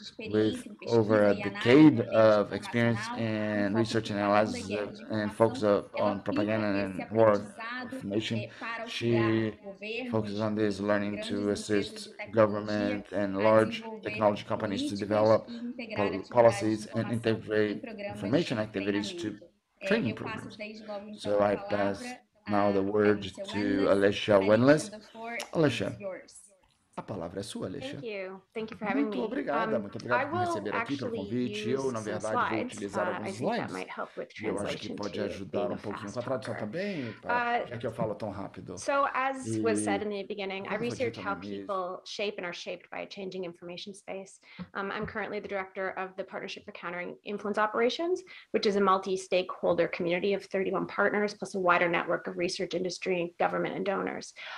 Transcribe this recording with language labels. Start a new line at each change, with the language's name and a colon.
English: With over a decade of experience in research and analysis and focus on propaganda and war information, she focuses on this learning to assist government and large technology companies to develop policies and integrate information activities to training programs. So I pass now the word to Alicia Wendles.
Portuguese: Alicia. A palavra é sua, Alicia.
English: Thank you for having
Portuguese: muito
English: me.
Portuguese: Obrigada, muito obrigada por me receber aqui pelo convite. Eu, na verdade, vou utilizar alguns slides. Eu acho que pode ajudar um pouquinho com a tradução também, já que eu falo tão rápido.
English: So, as was said in the beginning, I research how people shape and are shaped by a changing information space. I'm currently the director of the Partnership for Countering Influence Operations, which is a multi-stakeholder community of 31 partners, plus a wider network of research industry, government, and donors.